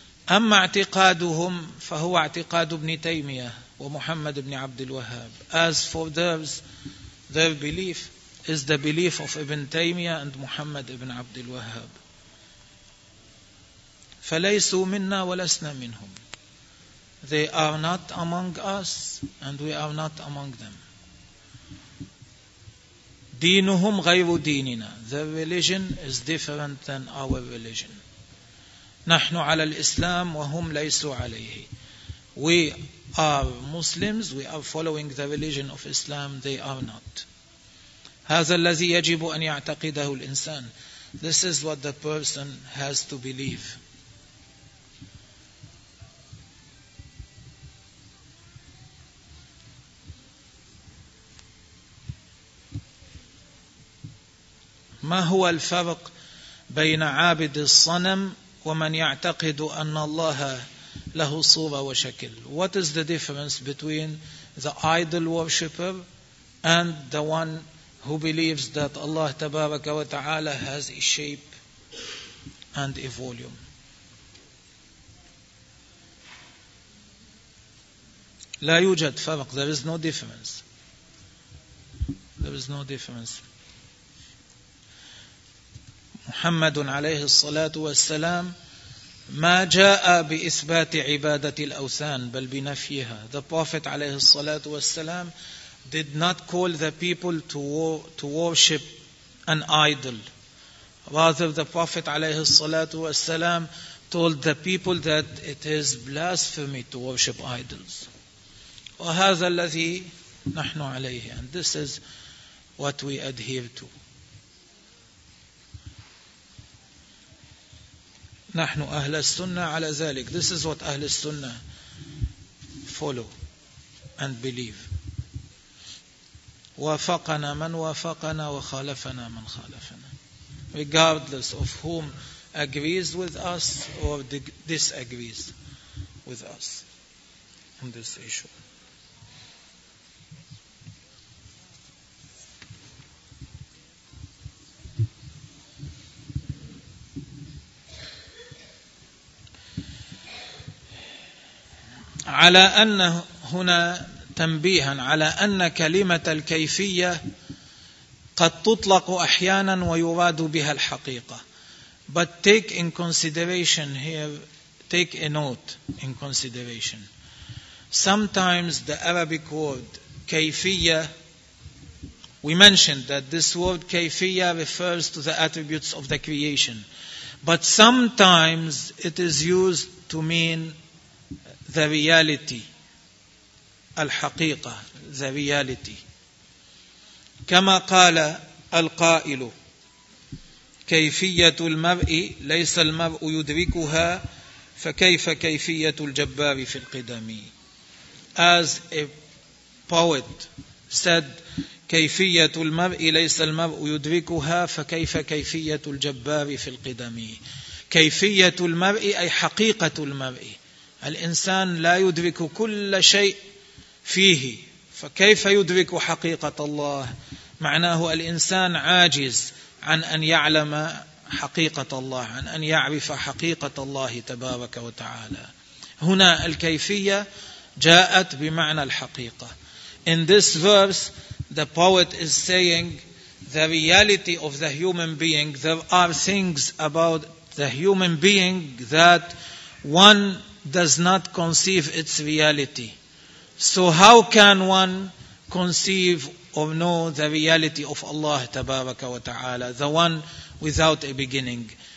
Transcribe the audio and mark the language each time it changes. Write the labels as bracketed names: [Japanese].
[Arabic] أما اعتقادهم فهو اعتقاد ابن تيمية ومحمد بن عبد الوهاب. [English] As for theirs, their belief is the belief of Ibn Taymiyyah and Muhammad ibn Abd al-Wahhab. [Arabic] فليسوا منا ولسنا منهم. [English] They are not among us and we are not among them. [Arabic] دينهم غير ديننا. [English] Their religion is different than our religion. [Arabic] نحن على الإسلام وهم ليسوا عليه. [English] We are Muslims, we are following the religion of Islam, they are not. [Arabic] هذا الذي يجب أن يعتقده الإنسان. [English] This is what the person has to believe. [Arabic] ما هو الفرق بين عابد الصنم ومن يعتقد أن الله له صورة وشكل؟ [English] What is the difference between the idol worshipper and the one who believes that Allah تبارك وتعالى has a shape and a volume? [Arabic] لا يوجد فرق. [English] There is no difference. There is no difference. [Arabic] محمد عليه الصلاة والسلام ما جاء بإثبات عبادة الأوثان بل بنفيها. [English] The Prophet عليه الصلاة والسلام did not call the people to worship an idol. Rather, the Prophet عليه الصلاة والسلام told the people that it is blasphemy to worship idols. [Arabic] وهذا الذي نحن عليه. [English] And this is what we adhere to. [Arabic] نحن أهل السنة على ذلك. [English] This is what أهل السنة follow and believe. [Arabic] وافقنا من وافقنا وخالفنا من خالفنا. [English] Regardless of whom agrees with us or disagrees with us on this issue. [Arabic] على أن هنا تنبيها على أن كلمة الكيفية قد تطلق أحيانا ويراد بها الحقيقة. [English] But take in consideration here, take a note in consideration. Sometimes the Arabic word كيفية We mentioned that this word kayfiyyah refers to the attributes of the creation. But sometimes it is used to mean the reality. Al-haqiqah, the reality. [Arabic] كما قال القائل كيفية المرء ليس المرء يدركها فكيف كيفية الجبار في القدم. [English] As a poet said, [Arabic] كيفية المرء ليس المرء يدركها فكيف كيفية الجبار في القدم. كيفية المرء أي حقيقة المرء. الإنسان لا يدرك كل شيء فيه، فكيف يدرك حقيقة الله؟ معناه الإنسان عاجز عن أن يعلم حقيقة الله، عن أن يعرف حقيقة الله تبارك وتعالى. هنا الكيفية جاءت بمعنى الحقيقة. [English] In this verse, the poet is saying the reality of the human being, there are things about the human being that one does not conceive its reality. So how can one conceive or know the reality of Allah tabaraka wa ta'ala, the one without a beginning?